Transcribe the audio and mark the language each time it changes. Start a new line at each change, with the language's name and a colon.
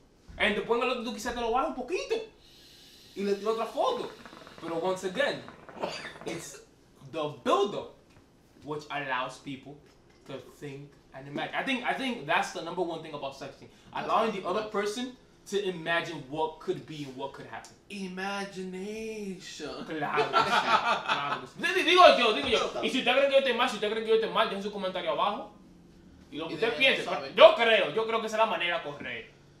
Spanish: Entonces ponga lo que tú quizás te lo bajes un poquito. Y le tiro otra foto.
English: Pero once again, it's the build-up which allows people to think. And imagine. I think that's the number one thing about sexting. Allowing the other person to imagine what could be and what could happen. Imagination.
Spanish: Claro. Digo yo. Y si usted cree que yo estoy mal, deje su comentario abajo. Y lo que usted piense. Yo creo que esa es la manera correcta.